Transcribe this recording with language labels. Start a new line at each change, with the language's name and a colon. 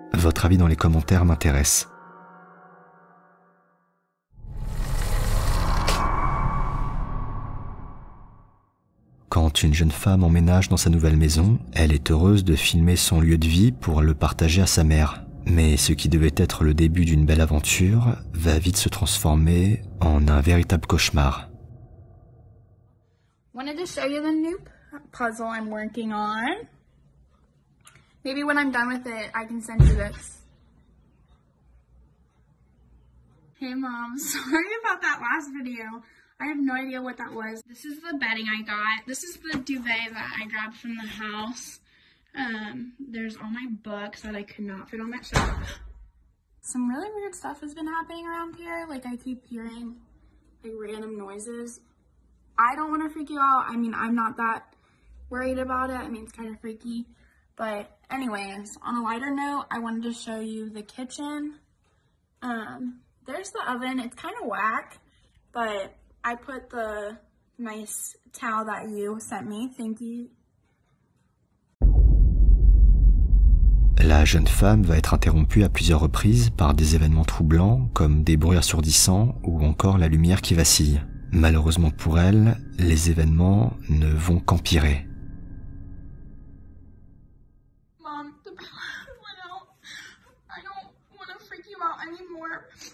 French: Votre avis dans les commentaires m'intéresse. « Quand une jeune femme emménage dans sa nouvelle maison, elle est heureuse de filmer son lieu de vie pour le partager à sa mère. Mais ce qui devait être le début d'une belle aventure va vite se transformer en un véritable cauchemar.
English: Wanted to show you the new puzzle I'm working on. Maybe when I'm done with it, I can send you this. Hey mom, sorry about that last video. I have no idea what that was. This is the bedding I got. This is the duvet that I grabbed from the house. There's all my books that I could not fit on that shelf. Some really weird stuff has been happening around here. Like I keep hearing like random noises. I don't want to freak you out. I mean, I'm not that worried about it. I mean, it's kind of freaky. But anyways, on a lighter note, I wanted to show you the kitchen. There's the oven. It's kind of whack, but I put the nice towel that you sent me. Thank you.
French: La jeune femme va être interrompue à plusieurs reprises par des événements troublants comme des bruits assourdissants ou encore la lumière qui vacille. Malheureusement pour elle, les événements ne vont qu'empirer.
English: Mom, the power went out. I don't want to freak you out anymore.